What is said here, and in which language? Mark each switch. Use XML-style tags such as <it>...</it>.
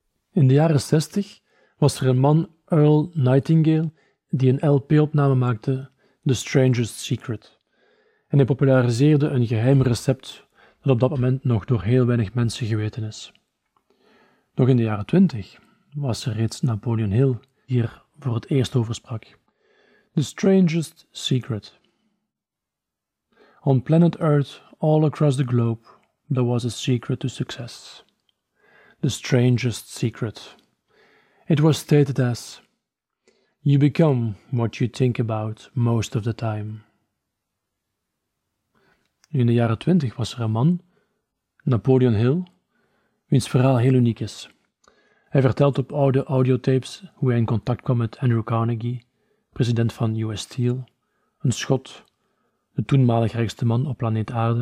<nl>In de jaren 60 was er een man, Earl Nightingale, die een LP-opname maakte, The Stranger's Secret. En hij populariseerde een geheim recept dat op dat moment nog door heel weinig mensen geweten is. Nog in de jaren 20 was er reeds Napoleon Hill hier voor het eerst over sprak.</nl> <en>The Stranger's Secret. On planet Earth, all across the globe, there was a secret to success. The strangest secret. It was stated as, you become what you think about most of the time.</en> <nl>Nu in de jaren 20 was er een man, Napoleon Hill, wiens verhaal heel uniek is. Hij vertelt op oude audiotapes hoe hij in contact kwam met Andrew Carnegie, president van US Steel, een Schot, de toenmalig rijkste man op planeet Aarde.</nl>